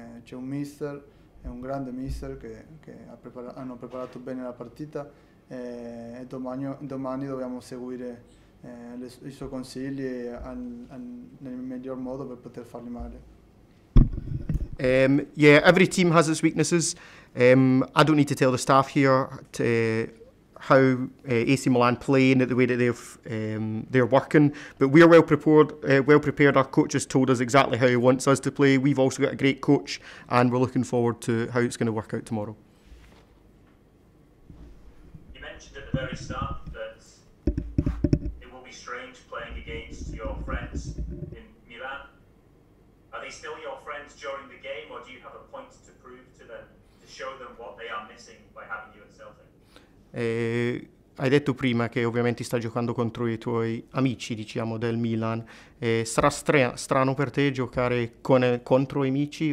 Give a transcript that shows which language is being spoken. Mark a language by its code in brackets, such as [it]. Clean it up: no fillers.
[it] C'è un mister, è un grande mister hanno preparato bene la partita, e domani dobbiamo seguire i suoi consigli nel miglior modo per poter farli meglio. [en] Every team has its weaknesses. I don't need to tell the staff here to how AC Milan play and the way that they're working, but we're well prepared. Our coach has told us exactly how he wants us to play. We've also got a great coach, and we're looking forward to how it's going to work out tomorrow. You mentioned at the very start that it will be strange playing against your friends in Milan. Are they still your friends during the game, or do you have a point to prove to them to show them what they are missing by having you at Celtic? [it] Hai detto prima che ovviamente stai giocando contro i tuoi amici, diciamo, del Milan. Sarà strano per te giocare contro i amici?